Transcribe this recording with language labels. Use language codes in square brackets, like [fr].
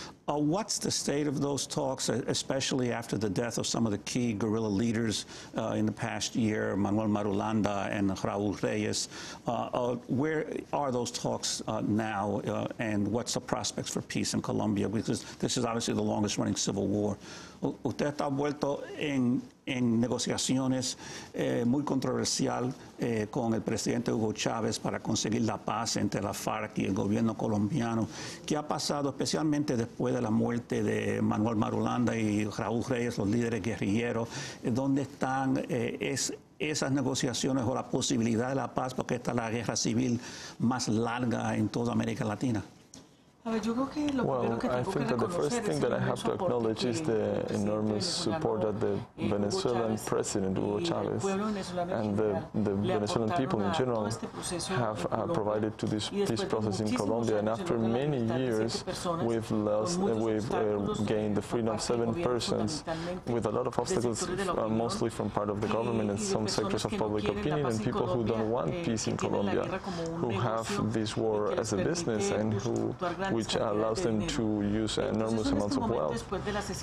[en] What's the state of those talks, especially after the death of some of the key guerrilla leaders in the past year, Manuel Marulanda and Raul Reyes? Where are those talks now, and what's the prospects for peace in Colombia? Because this is obviously the longest-running civil war. [es] Usted está vuelto en negociaciones muy controversial con el presidente Hugo Chávez para conseguir la paz entre la FARC y el gobierno colombiano. ¿Qué ha pasado, especialmente después de la muerte de Manuel Marulanda y Raúl Reyes, los líderes guerrilleros? ¿Dónde están esas negociaciones o la posibilidad de la paz? Porque esta es la guerra civil más larga en toda América Latina. [en] Well, I think that the first thing that I have to acknowledge is the enormous support that the Venezuelan president, Hugo Chavez, and the Venezuelan people in general have provided to this peace process in Colombia. And after many years, we've gained the freedom of 7 persons with a lot of obstacles, mostly from part of the government and some sectors of public opinion and people who don't want peace in Colombia, who have this war as a business and which allows them to use enormous amounts of wealth.